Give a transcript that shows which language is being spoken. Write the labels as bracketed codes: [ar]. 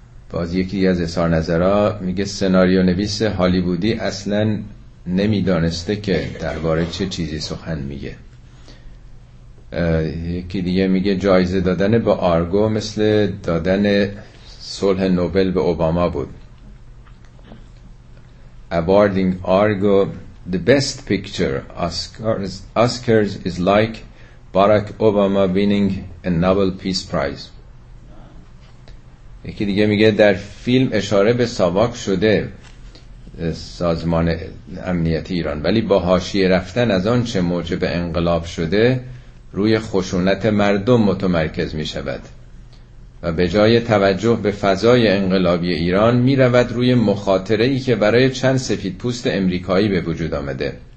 [fa] باز یکی از اظهار نظرها میگه سناریو نویس هالیوودی اصلا نمیدانسته که درباره چه چیزی سخن میگه. یکی دیگه میگه جایزه دادن به آرگو مثل دادن صلح نوبل به اوباما بود. [en] Awarding Argo the best picture Oscars is like Barack Obama winning a Nobel Peace Prize. [fa] یکی دیگه میگه در فیلم اشاره به ساواک شده، سازمان امنیتی ایران، ولی با حاشیه رفتن از آن چه موجب انقلاب شده روی خشونت مردم متمرکز می شود و به جای توجه به فضای انقلابی ایران می رود روی مخاطره‌ای که برای چند سفید پوست امریکایی به وجود آمده.